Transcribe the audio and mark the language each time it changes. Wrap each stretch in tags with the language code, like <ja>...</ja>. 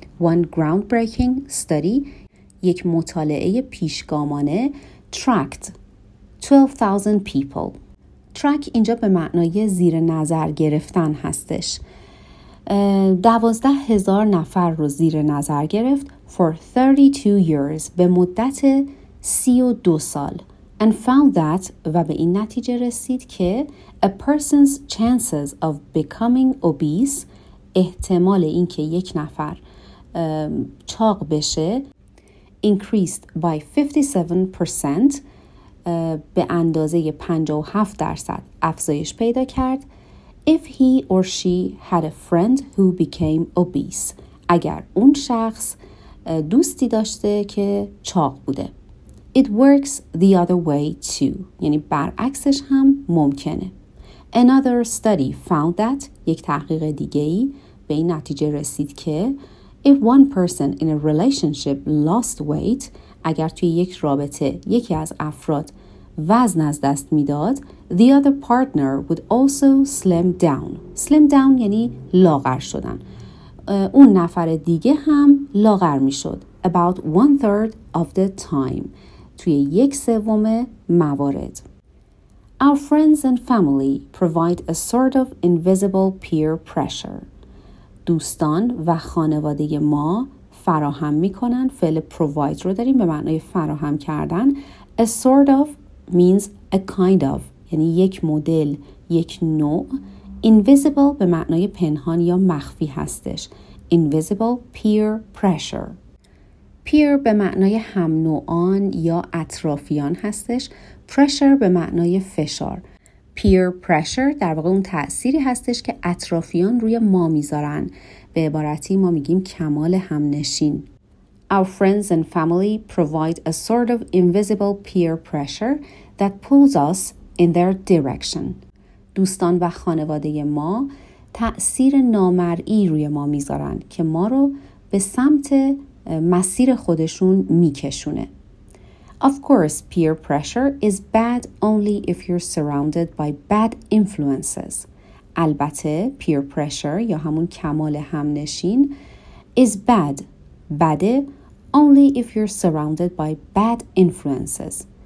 <en>One groundbreaking study,</en> <fa>یک مطالعه پیشگامانه,</fa> <en>tracked 12,000 people.</en> <fa>Track اینجا به معنای زیر نظر گرفتن هستش. 12,000 نفر رو زیر نظر گرفت</fa> <en>for 32 years,</en> <fa>به مدت 32 سال,</fa> <en>and found that,</en> <fa>و به این نتیجه رسید که</fa> <en>a person's chances of becoming obese,</en> <fa>احتمال اینکه یک نفر چاق بشه,</fa> <en>increased by 57%,</en> <fa>به اندازه 57% افزایش پیدا کرد,</fa> <en>if he or she had a friend who became obese,</en> <fa>اگر اون شخص دوستی داشته که چاق بوده.</fa> <en>It works the other way too.</en> <fa>یعنی برعکسش هم ممکنه.</fa> <en>Another study found that,</en> <fa>یک تحقیق دیگه‌ای به این نتیجه رسید که</fa> <en>if one person in a relationship lost weight,</en> <fa>اگر توی یک رابطه یکی از افراد وزن از دست میداد,</fa> <en>the other partner would also slim down.</en> <fa>Slim down یعنی لاغر شدن. اون نفر دیگه هم لاغر می شد.</fa> <en>About one third of the time.</en> <fa>توی یک سوم موارد.</fa> <en>Our friends and family provide a sort of invisible peer pressure.</en> <fa>دوستان و خانواده ما فراهم می کنن. فعل provide رو داریم به معنای فراهم کردن.</fa> <en>A sort of means a kind of.</en> <fa>یعنی یک مدل، یک نوع. Invisible به معنای پنهان یا مخفی هستش.</fa> <en>Invisible peer pressure.</en> <fa>Peer به معنای هم نوعان یا اطرافیان هستش. Pressure به معنای فشار. Peer pressure در واقع اون تأثیری هستش که اطرافیان روی ما میذارن. به عبارتی ما میگیم کمال هم نشین.</fa> <en>Our friends and family provide a sort of invisible peer pressure that pulls us in their direction.</en> <fa>دوستان و خانواده ما تأثیر نامرئی روی ما میذارن که ما رو به سمت مسیر خودشون میکشونه.</fa> <en>Of course, peer pressure is bad only if you're surrounded by bad influences.</en> <fa>البته</fa> <en>peer pressure</en> <fa>یا همون کمال همنشین</fa> <en>is bad,</en> <fa>بده,</fa> <en>only if you're surrounded by bad influences.</en>